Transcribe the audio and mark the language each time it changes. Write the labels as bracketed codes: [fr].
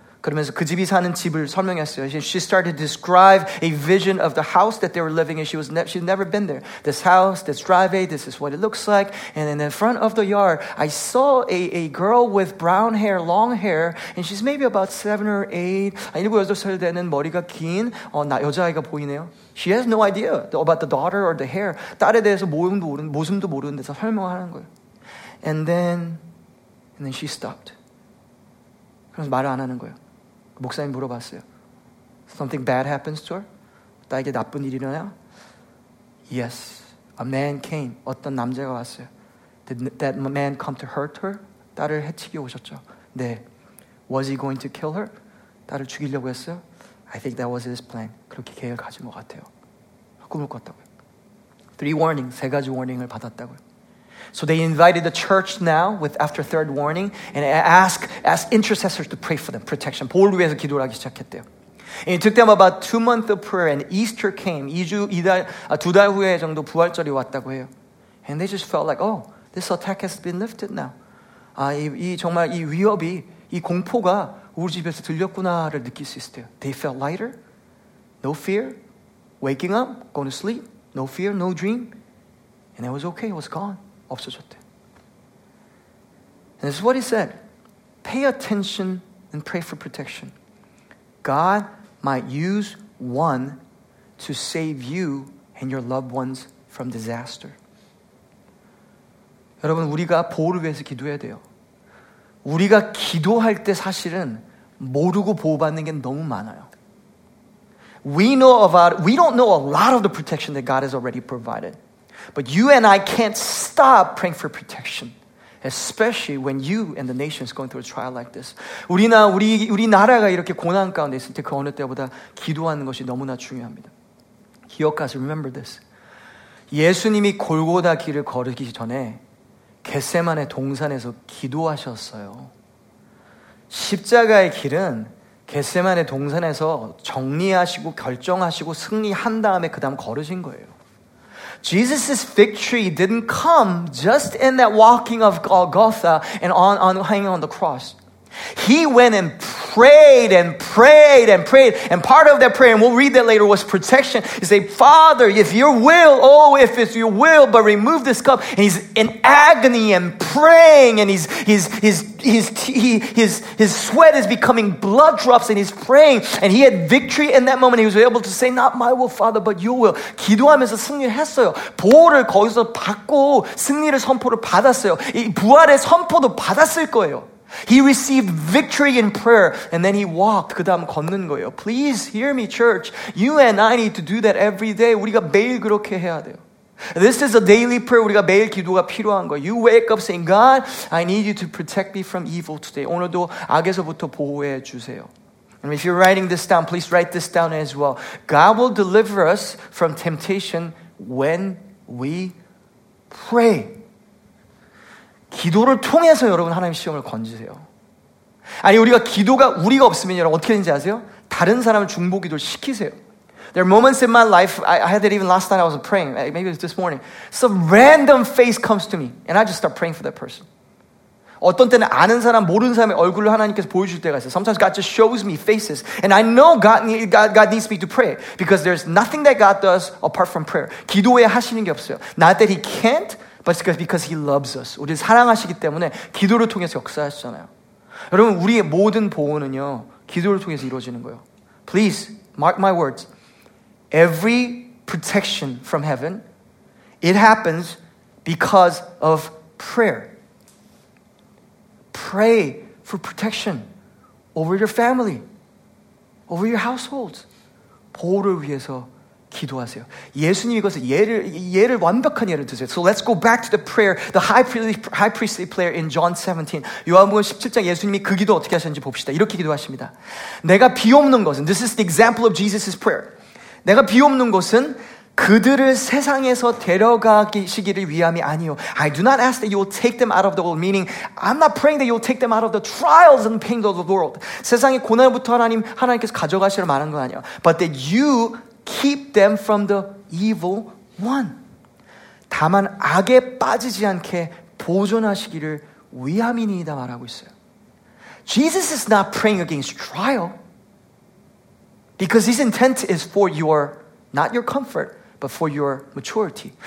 [ko] 그러면서 그 집이 사는 집을 설명했어요. [en] She started to describe a vision of the house that they were living in. She'd never been there. This house, this driveway, this is what it looks like. And in the front of the yard, I saw a girl with brown hair, long hair. And she's maybe about 7 or 8. [ko] 7, 8살 되는 머리가 긴 여자아이가 보이네요. [en] She has no idea about the daughter or the hair. [ko] 딸에 대해서 모습도 모르는 데서 설명을 하는 거예요. [en] And then she stopped. [ko] 그래서 말을 안 하는 거예요. 목사님 물어봤어요. [en] Something bad happens to her? [ko] 나에게 나쁜 일이 일어나요? [en] Yes. A man came. [ko] 어떤 남자가 왔어요. [en] Did that man come to hurt her? [ko] 딸을 해치기 오셨죠. 네. [en] Was he going to kill her? [ko] 딸을 죽이려고 했어요? [en] I think that was his plan. [ko] 그렇게 계획을 가진 것 같아요. 꿈을 꿨다고요. [en] Three warnings. [ko] 세 가지 warning을 받았다고요. [en] So they invited the church now with after third warning and asked intercessors to pray for them, protection. [ko] 보호를 위해서 기도를 하기 시작했대요. [en] And it took them about 2 months of prayer and Easter came. [ko] 두 달 후에 정도 부활절이 왔다고 해요. [en] And they just felt like, oh, this attack has been lifted now. [ko] 정말 이 위협이, 이 공포가 우리 집에서 들렸구나를 느낄 수 있었대요. [en] They felt lighter, no fear, waking up, going to sleep, no fear, no dream. And it was okay, it was gone. [ko] 없어졌대. [en] And this is what he said. Pay attention and pray for protection. God might use one to save you and your loved ones from disaster. [ko] 여러분, 우리가 보호를 위해서 기도해야 돼요. 우리가 기도할 때 사실은 모르고 보호받는 게 너무 많아요. [en] We don't know a lot of the protection that God has already provided. But you and I can't stop praying for protection, especially when you and the nation is going through a trial like this. [ko] 우리나라가 이렇게 고난 가운데 있을 때 그 어느 때보다 기도하는 것이 너무나 중요합니다. 기억하세요. [en] Remember this. [ko] 예수님이 골고다 길을 걸으기 전에 겟세마네 동산에서 기도하셨어요. 십자가의 길은 겟세마네 동산에서 정리하시고 결정하시고 승리한 다음에 그 다음 걸으신 거예요. [en] Jesus' victory didn't come just in that walking of Golgotha and on hanging on the cross. He went and prayed and prayed and prayed. And part of that prayer, and we'll read that later, was protection. He said, Father, if it's your will, but remove this cup. And he's in agony and praying, and his sweat is becoming blood drops, and he's praying. And he had victory in that moment. He was able to say, not my will, Father, but your will. [ko] 기도하면서 승리했어요. 보호를 거기서 받고 승리를 선포를 받았어요. 이 부활의 선포도 받았을 거예요. [en] He received victory in prayer and then he walked. [ko] 그 다음 걷는 거예요. [en] Please hear me, church. You and I need to do that every day. [ko] 우리가 매일 그렇게 해야 돼요. [en] This is a daily prayer. [ko] 우리가 매일 기도가 필요한 거예요. [en] You wake up saying, God, I need you to protect me from evil today. [ko] 오늘도 악에서부터 보호해 주세요. [en] And if you're writing this down, please write this down as well. God will deliver us from temptation when we pray. [ko] 기도를 통해서 여러분 하나님 시험을 건지세요. 아니 우리가 기도가 우리가 없으면 여러분 어떻게 되는지 아세요? 다른 사람을 중보기도를 시키세요. [en] There are moments in my life, I had that even last night I was praying, maybe it was this morning. Some random face comes to me and I just start praying for that person. [ko] 어떤 때는 아는 사람, 모르는 사람의 얼굴을 하나님께서 보여줄 때가 있어요. [en] Sometimes God just shows me faces. And I know God needs me to pray because there's nothing that God does apart from prayer. [ko] 기도에 하시는 게 없어요. [en] Not that he can't, but it's because he loves us. [ko] 우리를 사랑하시기 때문에 기도를 통해서 역사하시잖아요. 여러분, 우리의 모든 보호는요, 기도를 통해서 이루어지는 거예요. [en] Please, mark my words. Every protection from heaven, it happens because of prayer. Pray for protection over your family, over your households. [ko] 보호를 위해서 기도하세요. 예수님 이것을 예를 완벽한 예를 드세요. [en] So let's go back to the prayer, the high priestly prayer in John 17. [ko] 요한복음 17장 예수님이 그 기도 어떻게 하셨는지 봅시다. 이렇게 기도하십니다. 내가 비옵는 것은, [en] this is the example of Jesus' prayer. [ko] 내가 비옵는 것은 그들을 세상에서 데려가시기를 위함이 아니요. [en] I do not ask that you will take them out of the world. Meaning, I'm not praying that you will take them out of the trials and pains of the world. [ko] 세상의 고난부터 하나님께서 가져가시라 말한 거 아니에요. [en] But that you keep them from the evil one. [ko] 다만 악에 빠지지 않게 보존하시기를 위함이니이다 말하고 있어요. [en] Jesus is not praying against trial. Because his intent is for your, not your comfort, but for your maturity.